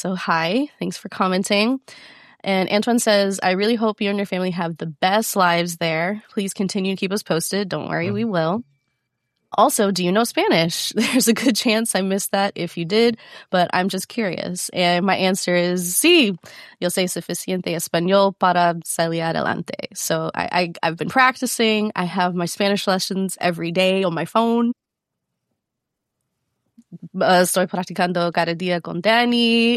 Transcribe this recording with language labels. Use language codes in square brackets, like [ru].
[en] So hi, thanks for commenting. And Antoine says, I really hope you and your family have the best lives there. Please continue to keep us posted. Don't worry, we will. Also, do you know Spanish? There's a good chance I missed that if you did, but I'm just curious. And my answer is, sí. [es] Yo sé suficiente español para salir adelante. [en] So I've been practicing. I have my Spanish lessons every day on my phone. [es] Estoy practicando cada día con Danny.